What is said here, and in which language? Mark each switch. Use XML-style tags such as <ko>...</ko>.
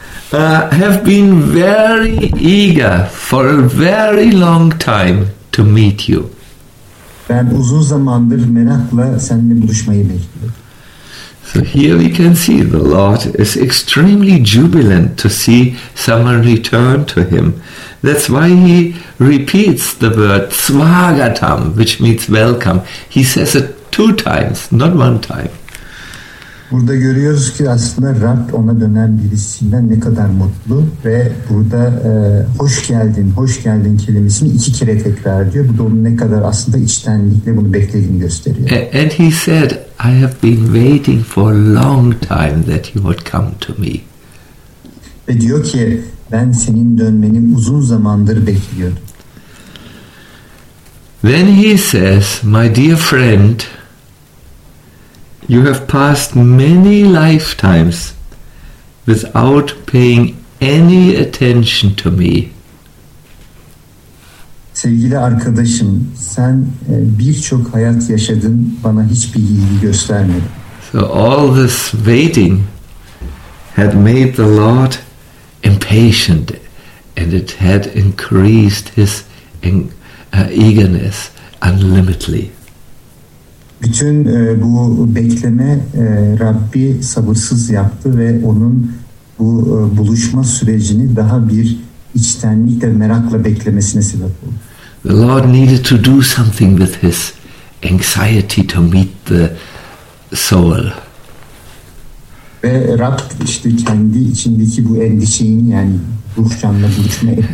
<en>Have been very eager for a very long time to meet you.</en> <tr>Ben uzun zamandır merakla seninle buluşmayı bekliyorum.</tr> <en>So here we can see the Lord is extremely jubilant to see someone return to him. That's why he repeats the word swagatam, which means welcome. He says it two times, not one time.</en> <tr>Burada görüyoruz ki aslında Rab ona dönen birisinden ne kadar mutlu ve burada hoş geldin, hoş geldin kelimesini iki kere tekrar diyor. Bu da onun ne kadar aslında içtenlikle bunu beklediğini gösteriyor.</tr> <en>And he said, "I have been waiting for a long time that you would come to me."</en> <tr>Ve diyor ki, "Ben senin dönmeni uzun zamandır bekliyordum."</tr> <en>Then he says, "My dear friend, you have passed many lifetimes without paying any attention to me."</en> <tr>Sevgili arkadaşım, sen birçok hayat yaşadın, bana hiçbir ilgi göstermedin.</tr> <en>So all this waiting had made the Lord impatient, and it had increased his eagerness unlimitedly.</en> <tr>Bütün bu bekleme Rabbi sabırsız yaptı ve onun bu buluşma sürecini daha bir içtenlikle merakla beklemesine sebep oldu.</tr> <en>The Lord needed to do something with his anxiety to meet the soul.</en> <tr>Ve Rab işte kendi içindeki bu endişeyini yani ruh canla buluşma</tr>